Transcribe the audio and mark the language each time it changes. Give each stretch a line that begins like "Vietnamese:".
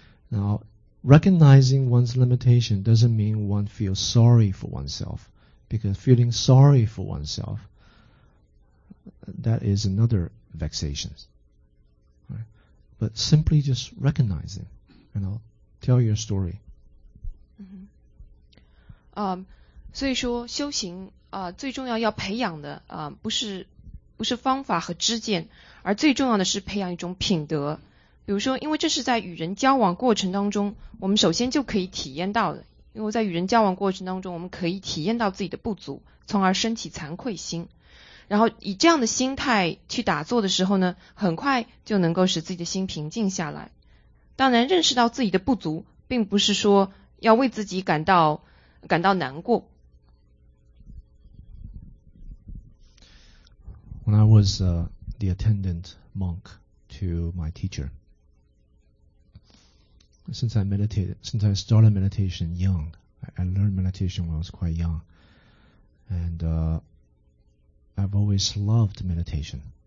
English: Now, recognizing one's limitation doesn't mean one feels sorry for oneself, because feeling sorry for oneself, that is another vexation. But simply just recognize it, and I'll tell your story.
Chinese: 所以说修行最重要培养的不是方法和知见，而最重要的是培养一种品德。比如说，因为这是在与人交往过程当中，我们首先就可以体验到的。因为在与人交往过程当中，我们可以体验到自己的不足，从而升起惭愧心。然后以这样的心态去打坐的时候呢，很快就能够使自己的心平静下来。当然认识到自己的不足并不是说要为自己感到难过。
English: When I was the attendant monk to my teacher, since I started meditation young, I learned meditation when I was quite young, and I've always loved meditation.